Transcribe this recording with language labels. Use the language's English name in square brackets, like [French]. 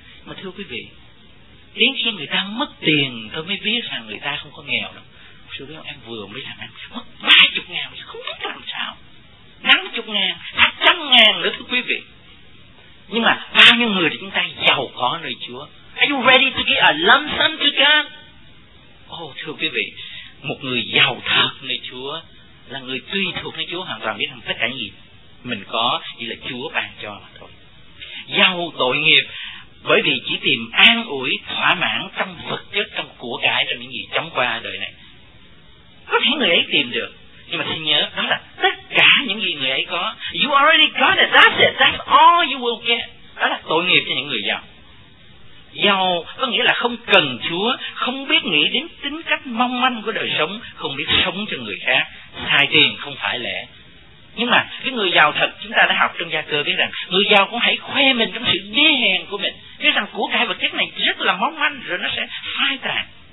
[Vietnamese] Mà thưa quý vị, đến khi người ta mất tiền tôi mới biết rằng người ta không có nghèo đâu. Sư biết không, em vừa mới làm ăn mất 30.000, không biết làm sao. 50.000, 100.000 nữa, thưa quý vị. Nhưng mà bao nhiêu người thì chúng ta giàu có nơi Chúa. [English] Are you ready to give a lump sum to God? [Vietnamese] Oh, thưa quý vị, một người giàu thật nơi Chúa là người tùy thuộc nơi Chúa hoàn toàn, biết rằng tất cả gì mình có chỉ là Chúa ban cho mà thôi. Giàu tội nghiệp bởi vì chỉ tìm an ủi, thỏa mãn trong vật chất, trong của cải, trong những gì chóng qua đời này. Có thể người ấy tìm được, nhưng mà xin nhớ, đó là tất cả những gì người ấy có. [English] You already got it, that's it, that's all you will get. [Vietnamese] Đó là tội nghiệp cho những người giàu. Giàu có nghĩa là không cần Chúa, không biết nghĩ đến tính cách mong manh của đời sống, không biết sống cho người khác, xài tiền không phải lẽ. Nhưng mà cái người giàu thật, chúng ta đã học trong Gia Cơ biết rằng người giàu cũng hãy khoe mình trong sự đê hèn của mình, biết rằng của cải vật chất này rất là mong manh, rồi nó sẽ phai tàn.